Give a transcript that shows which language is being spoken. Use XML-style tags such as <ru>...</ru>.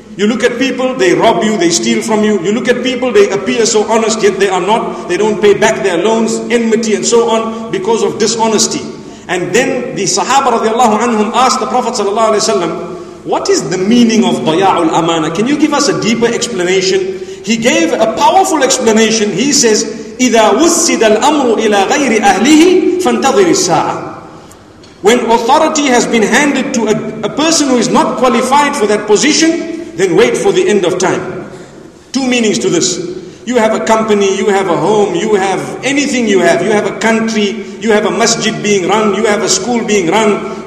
<en>You look at people, they rob you, they steal from you. You look at people, they appear so honest, yet they are not. They don't pay back their loans, enmity and so on, because of dishonesty. And then the Sahaba radiallahu anhum asked the Prophet sallallahu alaihi wasallam, what is the meaning of daya'ul amana? Can you give us a deeper explanation? He gave a powerful explanation. He says,</en> <ar>إِذَا وُسِّدَ الْأَمْرُ إِلَى غَيْرِ أَهْلِهِ فَانْتَظِرِ السَّاعَةِ.</ar> <en>When authority has been handed to a person who is not qualified for that position, then wait for the end of time. Two meanings to this. You have a company, you have a home, you have anything you have. You have a country, you have a masjid being run, you have a school being run.</en>